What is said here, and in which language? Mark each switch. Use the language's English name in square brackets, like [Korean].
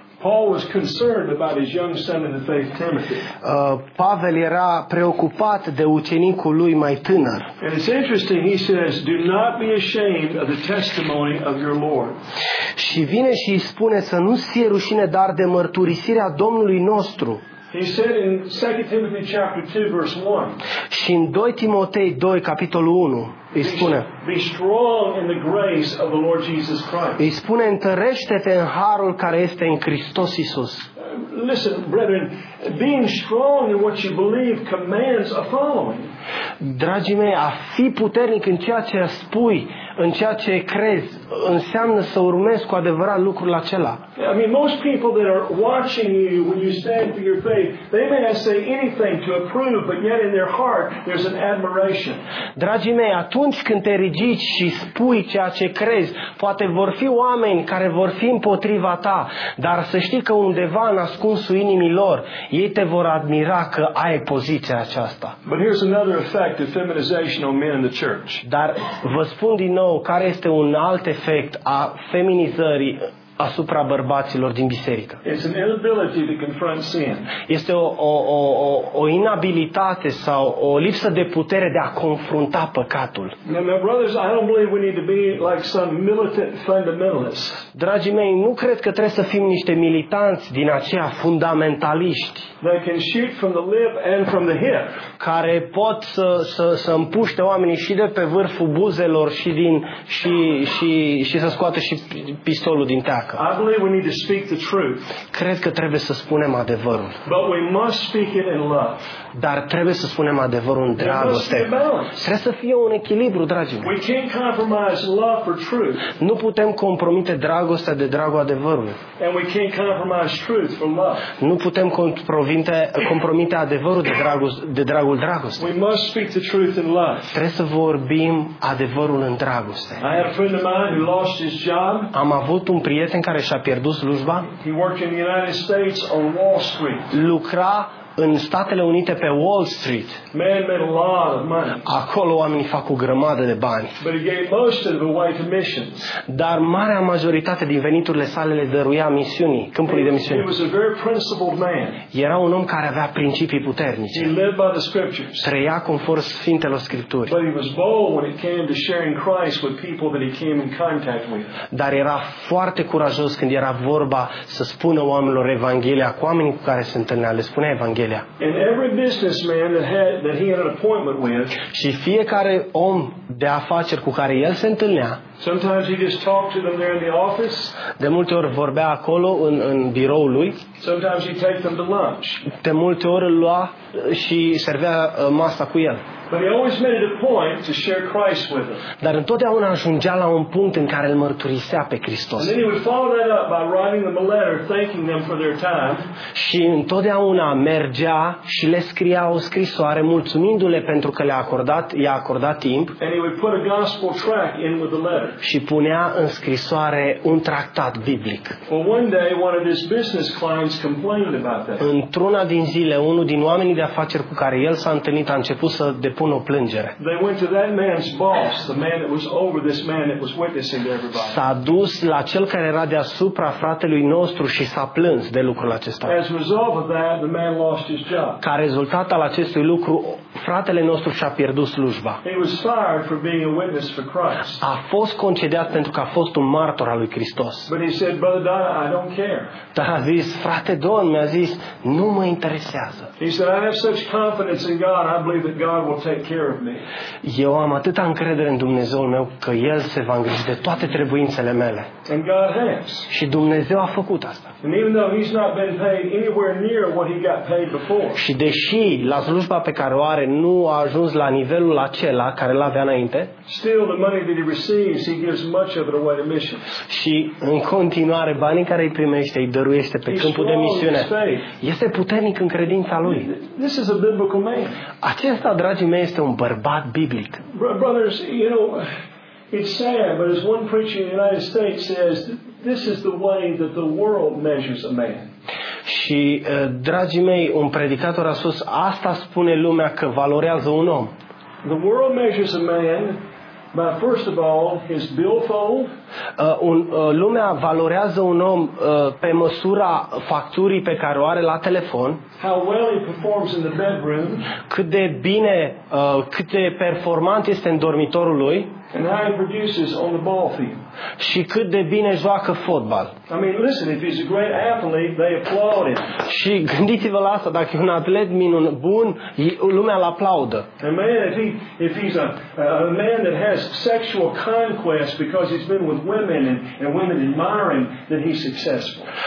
[English] Paul was concerned about his young son in the faith, Timothy. [Romanian] Pavel era preocupat de ucenicul lui mai tânăr. [English] And it's interesting, he says, "Do not be ashamed of the testimony of your Lord." [Romanian] Și vine și spune să nu fie rușine dar de mărturisirea Domnului nostru. [English] He said in 2 Timothy chapter 2 verse 1. [Romanian] Și în 2 Timotei 2 capitolul 1. Îi spune, [English] be strong in the grace of the Lord Jesus Christ. [Romanian] Îi spune, întărește-te în harul care este în Hristos Iisus. [English] Listen, brethren, being strong in what you believe commands a following. [Romanian] Dragii mei, a fi puternic în ceea ce spui, în ceea ce crezi, înseamnă să urmezi cu adevărat lucrul acela. [English] I mean, most people that are watching you when you stand for your faith, they may not say anything to approve, but yet in their heart there's an admiration. [Romanian] Dragii mei, atunci când te ridici și spui ceea ce crezi, poate vor fi oameni care vor fi împotriva ta, dar să știi că undeva în ascunsul inimii lor, ei te vor admira că ai poziția aceasta. [English] But here's another effect of feminization on men in the church. [Romanian] Dar vă spun din nou care este un alt efect a feminizării asupra bărbaților din biserică. [English] It's an inability to confront sin. [Romanian] Este o inabilitate sau o lipsă de putere de a confrunta păcatul. [English] Now, my brothers, I don't believe we need to be like some militant fundamentalists. [Romanian] Dragii mei, nu cred că trebuie să fim niște militanți din aceia fundamentaliști. [English] They can shoot from the lip and from the hip. [Romanian] Care pot să împuște oamenii și de pe vârful buzelor și din și să scoată și pistolul din teacă. [English] I believe we need to speak the truth. [Romanian] Cred că trebuie să spunem adevărul. [English] But we must speak it in love. [Romanian] Dar trebuie să spunem adevărul în dragoste. Trebuie să fie un echilibru, dragii mei. [English] We can't compromise love for truth. [Romanian] Nu putem compromite dragostea de dragul adevărului. [English] And we can't compromise truth for love. [Romanian] Nu putem compromite adevărul de dragul dragostei. [English] We must speak the truth in love. [Romanian] Trebuie să vorbim adevărul în dragoste. [English] I had a friend of mine who lost his job. [Romanian] Am avut un prieten care și-a pierdut slujba. [English] He worked in the United States on Wall Street. [Romanian] Lucra în Statele Unite pe Wall Street. [English] Man made a lot of money. [Romanian] Acolo oamenii fac o grămadă de bani. [English] But he gave most of it away to missions. [Romanian] Dar marea majoritate din veniturile sale le dăruia misiunii, câmpului de misiuni. [English] He was a very principled man. [Romanian] Era un om care avea principii puternice. [English] He lived by the scriptures. [Romanian] Trăia conform Sfintelor Scripturi. [English] But he was bold when it came to sharing Christ with people that he came in contact with. [Romanian] Dar era foarte curajos când era vorba să spună oamenilor Evanghelia cu oamenii cu care se întâlnea, le spunea Evanghelia. [English] And every businessman that he had an appointment with. [Romanian] Și fiecare om de afaceri cu care el se întâlnea. [English] Sometimes he just talked to them there in the office. [Romanian] De multe ori vorbea acolo în biroul lui. [English] Sometimes he take them to lunch. [Romanian] De multe ori îl lua și servea masa cu el. [English] But he always made it a point to share Christ with them. [Romanian] Dar întotdeauna ajungea la un punct în care îl mărturisea pe Hristos. [English] And then he would follow that up by writing them a letter thanking them for their time. [Romanian] Și întotdeauna mergea și le scria o scrisoare mulțumindu-le pentru că i-a acordat timp. [English] And he would put a gospel tract in with the letter. [Romanian] Și punea în scrisoare un tractat biblic. [English] Well, one day one of his business clients complained about that. [Romanian] Într-una din zile, unul din oamenii de afaceri cu care el s-a întâlnit a început să depun o plângere. [English] They went to that man's boss, the man that was over this man that was witnessing to everybody. [Romanian] S-a dus la cel care era deasupra fratelui nostru și s-a plâns de lucrul acesta. [English] As a result of that, the man lost his job. [Romanian] Ca rezultat al acestui lucru, fratele nostru și-a pierdut slujba. [English] He was fired for being a witness for Christ. [Romanian] A fost concediat pentru că a fost un martor al lui Hristos. [English] But he said, "Brother Don, I don't care." [Romanian] Dar a zis, frate Don, mi-a zis, nu mă interesează. [English] He said, "I have such confidence in God. I believe that God will take care of me." [Romanian] Eu am atâta încredere în Dumnezeul meu că El se va îngriji de toate trebuințele mele. [English] And God has. [Romanian] Și Dumnezeu a făcut asta. [English] And even though he's not been paid anywhere near what he got paid before. [Romanian] Și deși la slujba pe care o are nu a ajuns la nivelul acela care l-avea înainte. [English] Still, the money that he receives, he gives much of it away to missions. [Romanian] Și în continuare, banii care îi primește, îi dăruiește pe câmpul de misiune. Este puternic în credința lui. [English] This is a biblical man. [Romanian] Acesta, dragii mei, este un bărbat biblic. [English] Brothers, you know, it's sad, but as one preacher in the United States says, this is the way that the world measures a man. [Romanian] Și, dragii mei, un predicator a spus, asta spune lumea că valorează un om. [English] The world measures a man by, first of all, his billfold. [Romanian] Lumea valorează un om pe măsura facturii pe care o are la telefon. [English] How well he performs in the bedroom. [Romanian] Cât de bine, cât de performant este în dormitorul lui. [English] And how he produces on the ball field. [Romanian] Și cât de bine joacă fotbal. [English] I mean, listen, if he's a great athlete, they applaud him. [Romanian] Și gândiți-vă la asta, dacă e un atlet minun bun, lumea l-aplaudă. [English] And man, if he's a man that has sexual conquest because he's been with women and women admire him, then he's successful.